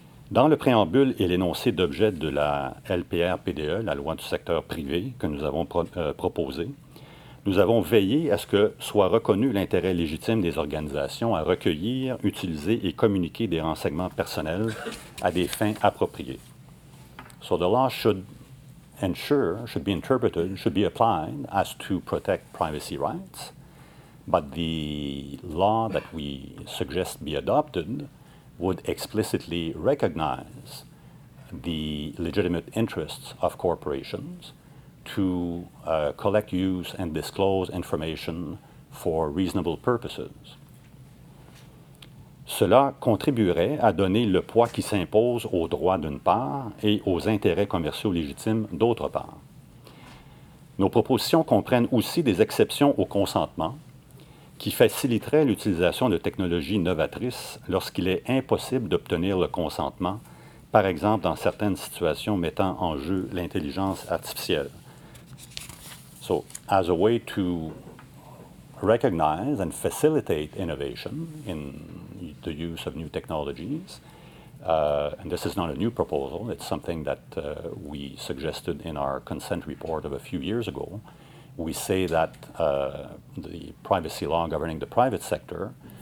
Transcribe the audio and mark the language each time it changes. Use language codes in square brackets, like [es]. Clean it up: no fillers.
[fr] Dans le préambule et l'énoncé d'objet de la LPR-PDE, la loi du secteur privé que nous avons proposée, Nous avons veillé à ce que soit reconnu l'intérêt légitime des organisations à recueillir, utiliser et communiquer des renseignements personnels à des fins appropriées. [en] So the law should ensure, should be interpreted, should be applied as to protect privacy rights, but the law that we suggest be adopted would explicitly recognize the legitimate interests of corporations to collect, use, and disclose information for reasonable purposes. [fr] Cela contribuerait à donner le poids qui s'impose aux droits d'une part et aux intérêts commerciaux légitimes d'autre part. Nos propositions comprennent aussi des exceptions au consentement qui faciliteraient l'utilisation de technologies novatrices lorsqu'il est impossible d'obtenir le consentement, par exemple dans certaines situations mettant en jeu l'intelligence artificielle. [en] So, as a way to recognize and facilitate innovation in the use of new technologies, and this is not a new proposal, it's something that we suggested in our consent report of a few years ago, we say that the privacy law governing the private sector